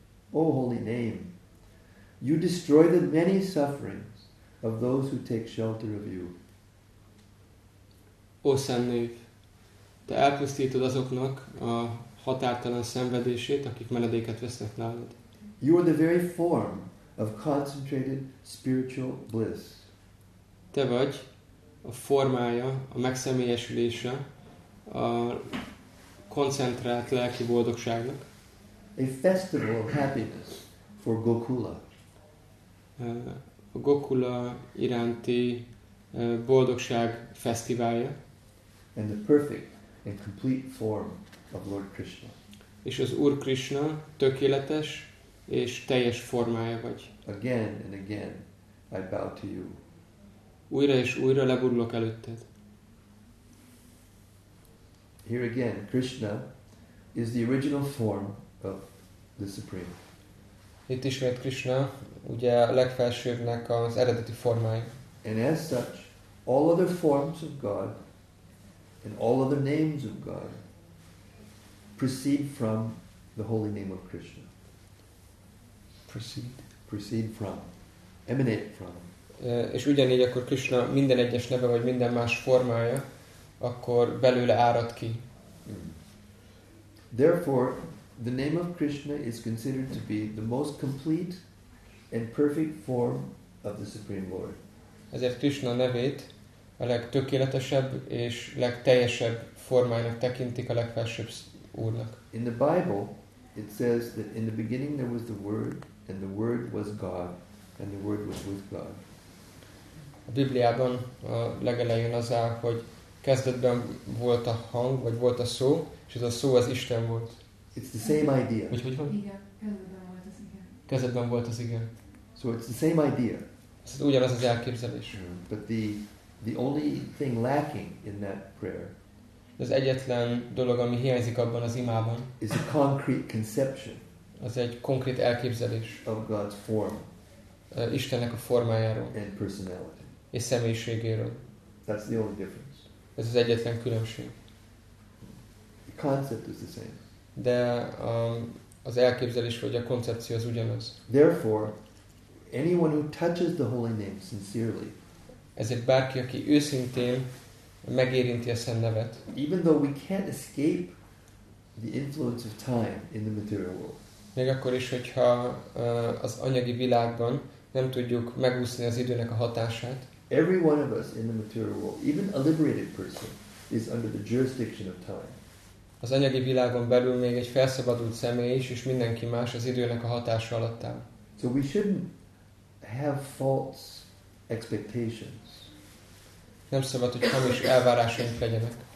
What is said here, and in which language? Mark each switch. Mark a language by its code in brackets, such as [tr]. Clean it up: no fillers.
[en] O holy name, you destroy the many sufferings of those who take shelter of you. [hu] O Szemnév, te elpusztítod azoknak a határtalan szenvedését, akik menedéket vesznek nálad. [en] You are the very form of concentrated spiritual bliss. [hu] Te vagy a formája, a megszemélyesülése a koncentrált lelki boldogságnak. [en] A festival of happiness for Gokula. [hu] A Gokula iránti boldogság fesztiválja. [en] And the perfect and complete form of Lord Krishna. [hu] És az Úr Krishna tökéletes és teljes formája vagy. [en] Again and again I bow to you. [hu] Újra és újra leborulok előtted. [en] Here again, Krishna is the original form of the Supreme. [hu] Itt ismét Krishna, ugye a legfelsőbbnek az eredeti formája. [en] And as such, all other forms of God and all other names of God proceed from the holy name of Krishna. Proceed. Proceed from. Emanate from. [hu] És ugyanígy akkor Krishna minden egyes neve vagy minden más formája, akkor belőle árad ki. [en] Therefore, the name of Krishna is considered to be the most complete and perfect form of the Supreme Lord. [hu] Ezért Krishna nevét a legtökéletesebb és legteljesebb formájának tekintik a legfelsőbb úrnak. [en] In the Bible, it says that in the beginning there was the Word, and the Word was God, and the Word was with God. [hu] A Bibliában a legelején az áll, hogy kezdetben volt a hang, vagy volt a szó, és ez a szó az Isten volt. [en] It's the same idea. [hu] Hogy van? Igen, kezdetben volt az igen. Kezdetben volt az igen. [en] So it's the same idea. [hu] Ez ugyanaz az elképzelés. [en] But the only thing lacking in that prayer. [hu] Az egyetlen dolog, ami hiányzik abban az imában. [en] Is a concrete conception. [hu] Az egy konkrét elképzelés. [en] Of God's form. [hu] Istennek a formájáról. [en] And personality. [hu] És személyiségéről. [en] That's the only difference. [hu] Ez az egyetlen különbség. [en] The concept is the same. [hu] De az elképzelés vagy a koncepció az ugyanaz. [en] Therefore, anyone who touches the holy name sincerely. [hu] Ezért bárki, aki őszintén megérinti a Szent Nevet. [en] Even though we can't escape the influence of time in the material world. [hu] Még akkor is, hogyha az anyagi világban nem tudjuk megúszni az időnek a hatását. [en] Every one of us in the material world, even a liberated person, is under the jurisdiction of time. [hu] Az anyagi világon belül még egy felszabadult személy is, és mindenki más az időnek a hatása alatt áll. [en] So we shouldn't have false expectations. [hu] Nem szabad, hogy hamis elvárásaink legyenek.